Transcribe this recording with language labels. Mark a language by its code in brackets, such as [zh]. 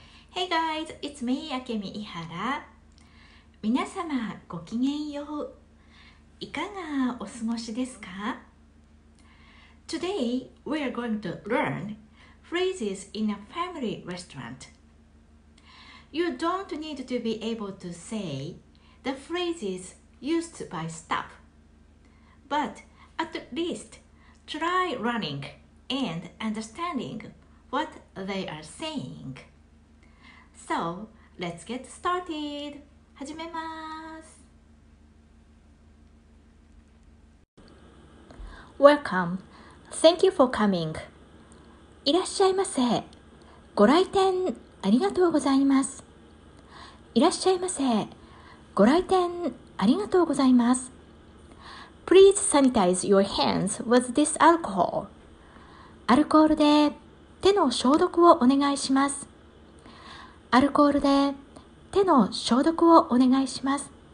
[en] Hey guys, it's me, Akemi Ihara. [ja] 皆様ごきげんよう。いかがお過ごしですか? [en] Today, we are going to learn phrases in a family restaurant. You don't need to be able to say the phrases used by staff. But at least try running and understanding what they are saying. So, let's get started! [ja] 始めまーす! [en] Welcome! Thank you for coming! [ja] いらっしゃいませ。ご来店ありがとうございます。いらっしゃいませ。ご来店ありがとうございます。 [en] Please sanitize your hands with this alcohol. [ja] アルコールで手の消毒をお願いします。アルコールで手の消毒をお願いします。